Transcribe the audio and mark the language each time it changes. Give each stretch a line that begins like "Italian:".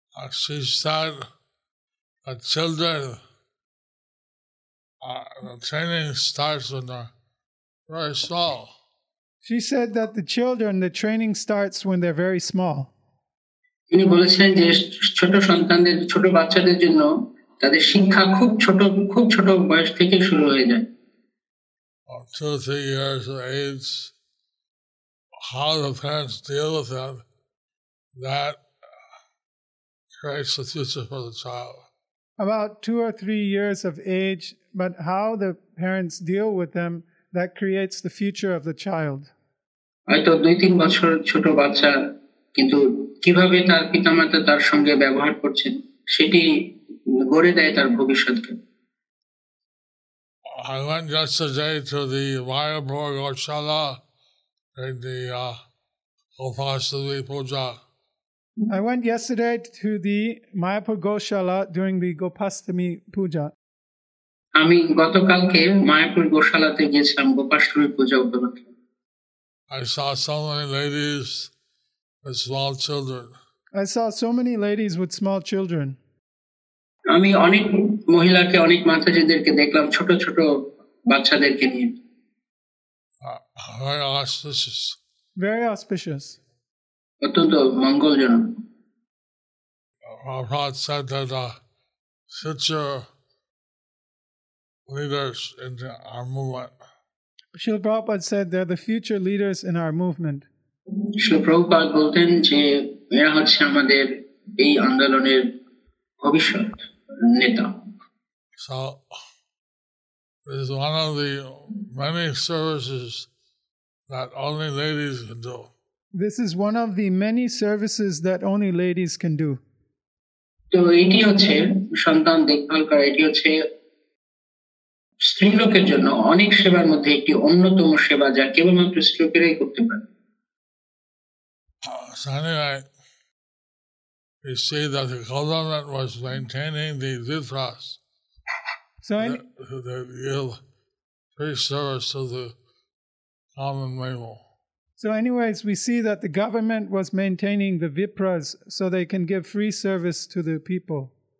English: She said the children, the training starts when they're very small. She said that the children, the training starts when they're very small.
Bangla: তিনি বলেছেন যে ছোট সন্তানদের ছোট বাচ্চাদের জন্য তাদের শিক্ষা খুব ছোট বয়স থেকে শুরু হয়ে যায়.
English: 2 or 3 years of age, how the parents deal with them, that creates a future for the child. About 2 or 3 years of age, but how the parents deal with them, that creates the future of the child.
Bangla: হয়তো 2-3 বছর ছোট বাচ্চা, কিন্তু কিভাবে তার পিতামাতা তার সঙ্গে ব্যবহার করছেন সেটি গড়ে দেয় তার ভবিষ্যৎকে.
English: I went yesterday to the Mayapur Goshala and the Gopashtami Puja. I went yesterday to the Mayapur Goshala during the Gopashtami Puja.
Bangla: আমি গতকালকে মায়াপুর গোশালাতে গিয়েছিলাম গোপাষ্টমী পূজা উপলক্ষে.
English: I saw so many ladies with small children. I saw so many ladies with small children.
Bangla: আমি অনেক মহিলাকে অনেক মাতাজিদেরকে দেখলাম ছোট ছোট বাচ্চাদেরকে নিয়ে.
English: Very auspicious. Very auspicious.
Bangla: অত্যন্ত মঙ্গলজনক.
English: Prabhupada said that future leaders in our movement. Srila Prabhupada said they're the future leaders in our movement.
Bangla: Shri Prabhupada বলতেন যে এরা হচ্ছে আমাদের এই আন্দোলনের ভবিষ্যৎ নেতা.
English: So, this is one of the many services that only ladies can do. This is one of the many services that only ladies can do.
Bangla: তো এটি হচ্ছে সন্তান দেখভাল করা, এটি হচ্ছে স্ত্রীলোকের জন্য অনেক সেবার মধ্যে একটি অন্যতম সেবা যা কেবলমাত্র স্ত্রীলোকেরাই করতে পারে.
English: So anyway, we see that the government was maintaining the dhritras. So anyways, we see that the government was maintaining the vipras so they can give free service to the people.